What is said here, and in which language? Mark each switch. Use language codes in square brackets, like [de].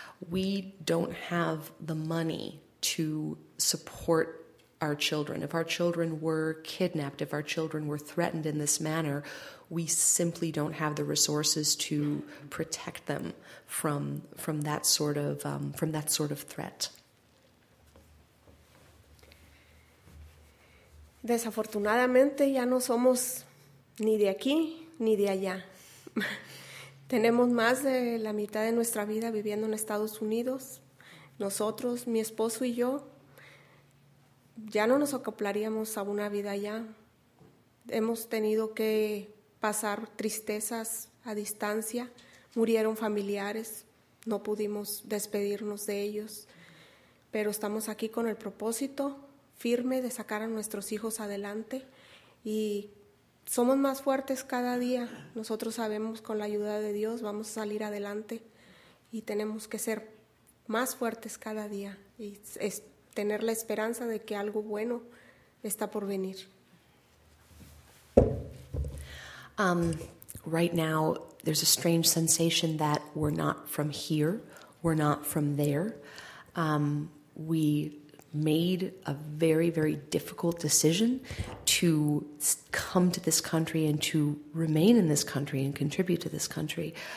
[en] We don't have the money to support our children. If our children were kidnapped, if our children were threatened in this manner, we simply don't have the resources to protect them from that sort of from that sort of threat. [es] Desafortunadamente, ya no somos ni de aquí ni de allá. Tenemos más de la mitad de nuestra vida viviendo en Estados Unidos. Nosotros, mi esposo y yo, ya no nos acoplaríamos a una vida allá. Hemos tenido que pasar tristezas a distancia. Murieron familiares. No pudimos despedirnos de ellos. Pero estamos aquí con el propósito firme de sacar a nuestros hijos adelante. Y somos más fuertes cada día. Nosotros sabemos, con la ayuda de Dios, vamos a salir adelante. Y tenemos que ser más fuertes cada día. Y es tener la esperanza de que algo bueno está por venir. [en] Right now, there's a strange sensation that we're not from here, we're not from there. We made a very, very difficult decision to come to this country and to remain in this country and contribute to this country.